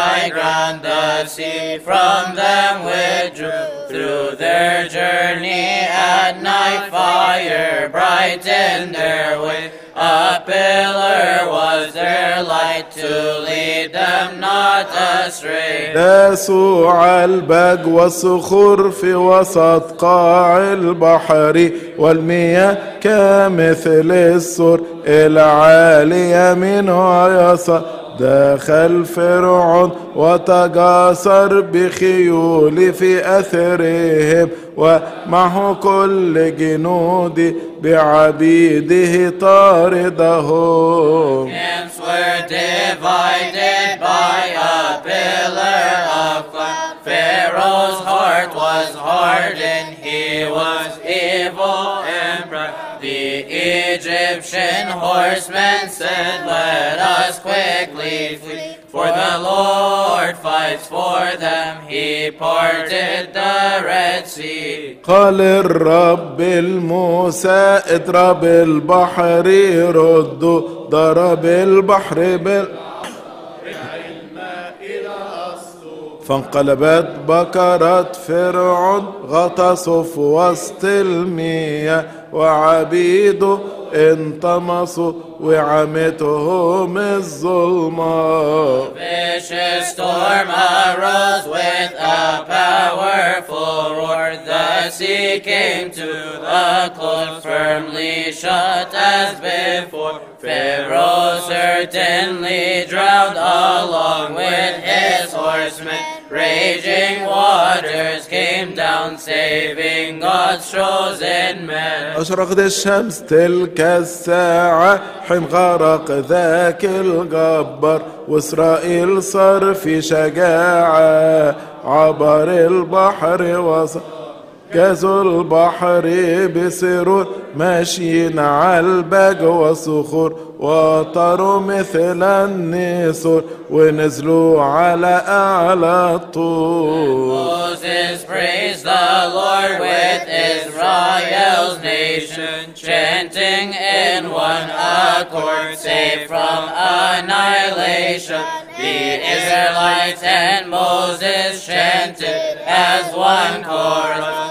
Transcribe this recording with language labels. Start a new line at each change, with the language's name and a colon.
English: ground the sea from them withdrew through their journey at night fire brightened their way a pillar was their light to lead them not astray
Arabic: داسوا عالبق والصخور في وسط قاع البحر والمياه كمثل السور العالية منه يصعد دخل فرعون وتجاسر بخيول في أثرهم ومعه كل جنود بعبيده طاردهم
English: Camps were divided by a pillar of fire Pharaoh's heart was hardened He was evil The Egyptian horsemen said, let us quickly flee, for the Lord fights for them. He parted the Red Sea.
Arabic: قال الرب الموسى اضرب البحر ردوا ضرب البحر بال فانقلبت بكرة فرعون غطسوا في وسط المياه وعبيده انطمسوا وعمتهم الظلمة
English: Vicious storm arose with a powerful roar The sea came to the cold firmly shut as before Pharaoh certainly drowned along with his horsemen Raging waters came down saving God's chosen men
Arabic: أشرقت الشمس تلك الساعة حين غرق ذاك الجبار وإسرائيل صار في شجاعة عبر البحر وصار كذل البحر بسرور ماشيين على الباج وصخور وطروا مثل النسور ونزلوا على أعلى الطور.
English: Moses praise the Lord with Israel's nation, chanting in one accord, saved from annihilation. The Israelites and Moses chanted as one chorus.